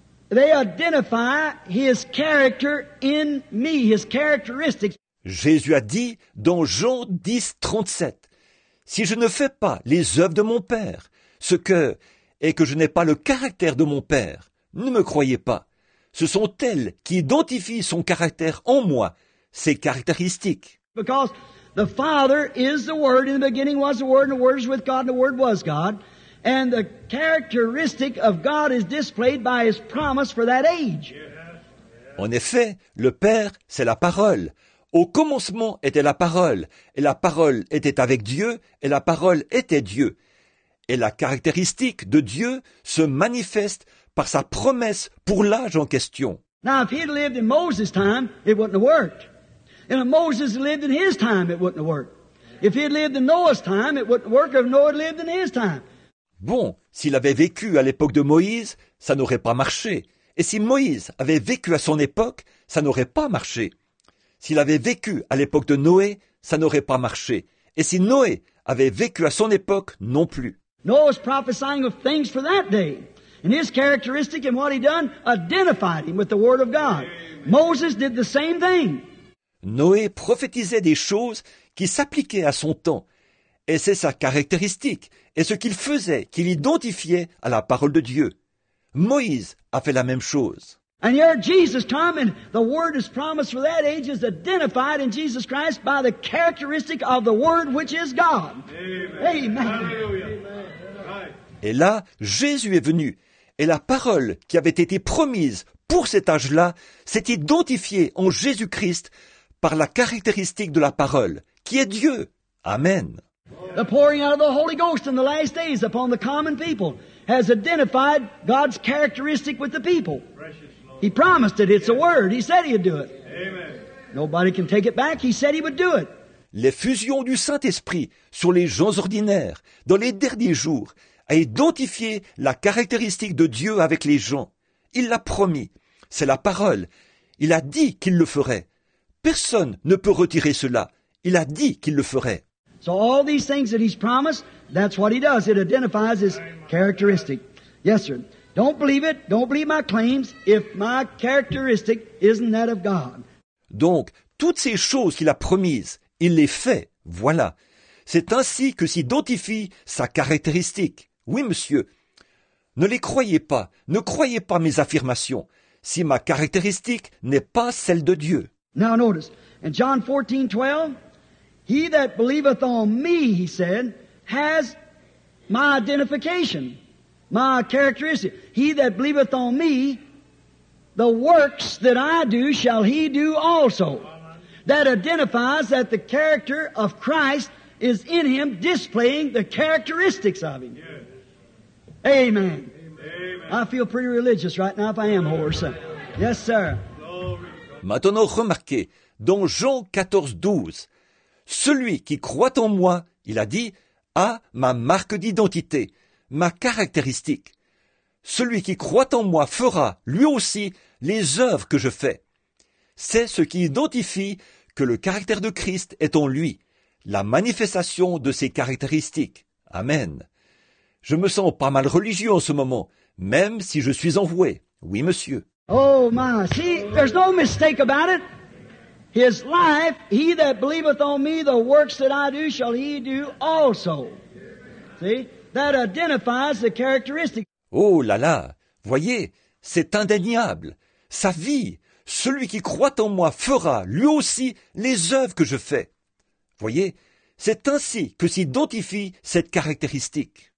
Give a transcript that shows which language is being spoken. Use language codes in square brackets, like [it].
[en] They identify his character in me, his characteristics. [fr] Jésus a dit dans Jean 10:37, si je ne fais pas les œuvres de mon Père, ce que est que je n'ai pas le caractère de mon Père, ne me croyez pas. Ce sont elles qui identifient son caractère en moi, ses caractéristiques. [en] Because the Father is the Word, in the beginning was the Word, and the Word was with God, and the Word was God. And the characteristic of God is displayed by his promise for that age. [fr] En effet, le Père, c'est la parole. Au commencement était la parole, et la parole était avec Dieu, et la parole était Dieu. Et la caractéristique de Dieu se manifeste par sa promesse pour l'âge en question. [en] Now, if he'd lived in Moses' time, it wouldn't have worked. And if Moses lived in his time, it wouldn't have worked. If he'd lived in Noah's time, it wouldn't work. If Noah lived in his time. [fr] Bon, s'il avait vécu à l'époque de Moïse, ça n'aurait pas marché. Et si Moïse avait vécu à son époque, ça n'aurait pas marché. S'il avait vécu à l'époque de Noé, ça n'aurait pas marché. Et si Noé avait vécu à son époque, non plus. [en] Noah was prophesying of things for that day. And his characteristic and what he done identified him with the word of God. Moses did the same thing. [fr] Noé prophétisait des choses qui s'appliquaient à son temps. Et c'est sa caractéristique et ce qu'il faisait qu'il identifiait à la parole de Dieu. Moïse a fait la même chose. [en] And here Jesus come and the word is promised for that age is identified in Jesus Christ by the characteristic of the word which is God. Amen. Amen. Amen. [fr] Et là, Jésus est venu et la parole qui avait été promise pour cet âge-là s'est identifiée en Jésus-Christ par la caractéristique de la parole, qui est Dieu. Amen. [en] The pouring out of the Holy Ghost in the last days upon the common people has identified God's characteristic with the people. He promised it. It's a word. He said he'd do it. Amen. Nobody can take it back. He said he would do it. [fr] L'effusion du Saint-Esprit sur les gens ordinaires dans les derniers jours a identifié la caractéristique de Dieu avec les gens. Il l'a promis. C'est la parole. Il a dit qu'il le ferait. Personne ne peut retirer cela. Il a dit qu'il le ferait. [en] So all these things that he's promised, that's what he does. It identifies his characteristic. Yes, sir. Don't believe it. Don't believe my claims if my characteristic isn't that of God. [fr] Donc, toutes ces choses qu'il a promises, il les fait. Voilà. C'est ainsi que s'identifie sa caractéristique. Oui, monsieur. Ne les croyez pas. Ne croyez pas mes affirmations. Si ma caractéristique n'est pas celle de Dieu. [en] Now notice, in John 14:12, he that believeth on me, he said, has my identification, my characteristic. He that believeth on me, the works that I do shall he do also. That identifies that the character of Christ is in him, displaying the characteristics of him. Yes. Amen. Amen. I feel pretty religious right now if I am horse. Yes, sir. [fr] Maintenant, remarquez, dans Jean 14:12, « Celui qui croit en moi, il a dit, a ma marque d'identité, ma caractéristique. Celui qui croit en moi fera, lui aussi, les œuvres que je fais. » C'est ce qui identifie que le caractère de Christ est en lui, la manifestation de ses caractéristiques. Amen. Je me sens pas mal religieux en ce moment, même si je suis envoué. Oui, monsieur. [en] Oh my, see, there's no mistake about it. His life, he that believeth on me, the works that I do, shall he do also. See, that identifies the characteristic. [fr] Oh là là, voyez, c'est indéniable. Sa vie, celui qui croit en moi fera, lui aussi, les œuvres que je fais. Voyez, c'est ainsi que s'identifie cette caractéristique.